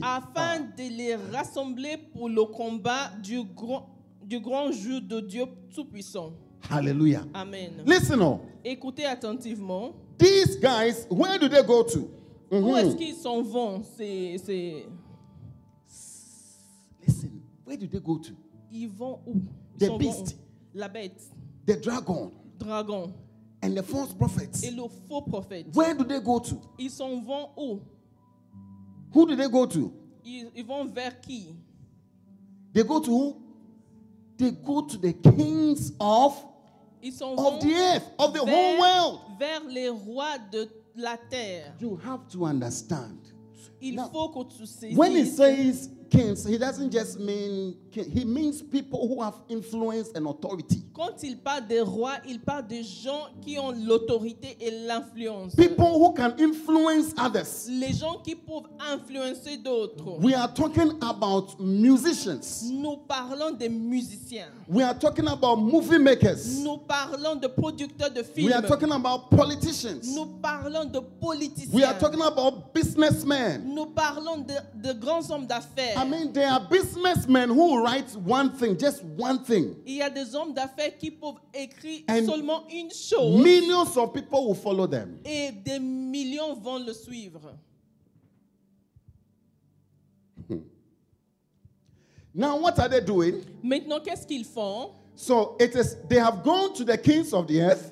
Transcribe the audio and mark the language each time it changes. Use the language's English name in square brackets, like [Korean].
[French] Afin de les rassembler pour le combat du grand jour de Dieu Tout-Puissant. [English] Hallelujah. Amen. Listen on. [French] Écoutez attentivement. [English] These guys, where do they go to? [French] Mm-hmm. Où est-ce qu'ils s'en vont? C'est... [English] Listen, where do they go to? [French] Ils vont où? [English] The beast. [French] La bête. [English] The dragon. [French] Dragon. [English] And the false prophets. [French] Et le faux prophète. [English] Where do they go to? [French] Ils s'en vont où? [English] Who do they go to? [French] Ils vont vers qui? [English] They go to who? They go to the kings of the earth, of the whole world. [French] Vers les rois de la terre. [English] You have to understand. [French] Il [English] now, [French] faut que tu saisis. [English] When he says kings, he doesn't just mean kings. He means people who have influence and authority. [French] Quand il parle des rois, il parle des gens qui ont l'autorité et l'influence. [English] People who can influence others. [French] Les gens qui peuvent influencer d'autres. [English] We are talking about musicians. [French] Nous parlons des musiciens. [English] We are talking about movie makers. [French] Nous parlons de producteurs de films. [English] We are talking about politicians. [French] Nous parlons de politiciens. [English] We are talking about businessmen. [French] Nous parlons de grands hommes d'affaires. [English] I mean, there are businessmen who write one thing, just one thing. [French] Il y a des hommes d'affaires qui peuvent écrire and seulement une chose. [English] Millions of people will follow them. [French] Et des millions vont le suivre. [English] Now, what are they doing? [French] Maintenant, qu'est-ce qu'ils font? [English] So, it is, they have gone to the kings of the earth.